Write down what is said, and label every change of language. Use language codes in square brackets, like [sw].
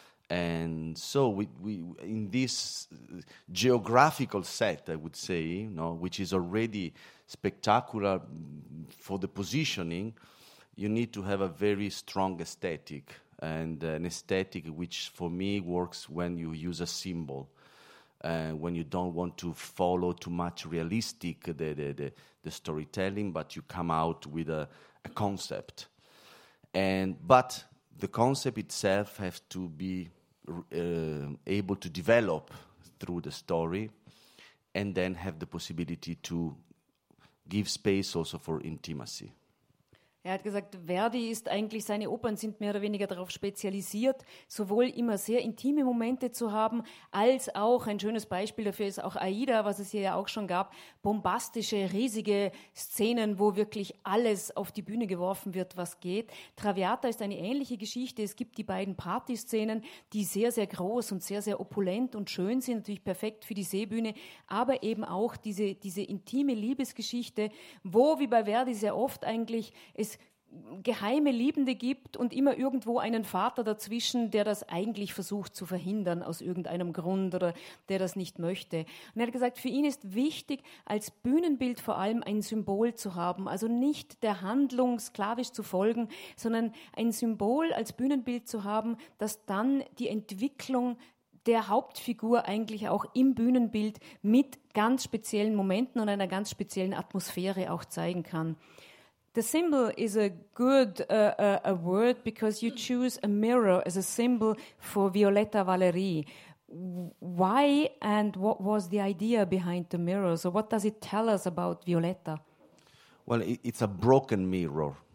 [en] And so we in this geographical set, I would say, which is already spectacular for the positioning, you need to have a very strong aesthetic, and an aesthetic which for me works when you use a symbol, when you don't want to follow too much realistic the storytelling, but you come out with a concept. But the concept itself has to be able to develop through the story and then have the possibility to give space also for intimacy. [de] Er hat gesagt, Verdi ist eigentlich, seine Opern sind mehr oder weniger darauf spezialisiert, sowohl immer sehr intime Momente zu haben, als auch, ein schönes Beispiel dafür ist auch Aida, was es hier ja auch schon gab, bombastische, riesige Szenen, wo wirklich alles auf die Bühne geworfen wird, was geht. Traviata ist eine ähnliche Geschichte. Es gibt die beiden Partyszenen, die sehr, sehr groß und sehr, sehr opulent und schön sind, natürlich perfekt für die Seebühne, aber eben auch diese intime Liebesgeschichte, wo, wie bei Verdi sehr oft eigentlich, es geheime Liebende gibt und immer irgendwo einen Vater dazwischen, der das eigentlich versucht zu verhindern aus irgendeinem Grund oder der das nicht möchte. Und er hat gesagt, für ihn ist wichtig, als Bühnenbild vor allem ein Symbol zu haben, also nicht der Handlung sklavisch zu folgen, sondern ein Symbol als Bühnenbild zu haben, das dann die Entwicklung der Hauptfigur eigentlich auch im Bühnenbild mit ganz speziellen Momenten und einer ganz speziellen Atmosphäre auch zeigen kann. [en] The symbol is a good a word because you choose a mirror as a symbol for Violetta Valerie. Why and what was the idea behind the mirror? So what does it tell us about Violetta? Well, it's a broken mirror.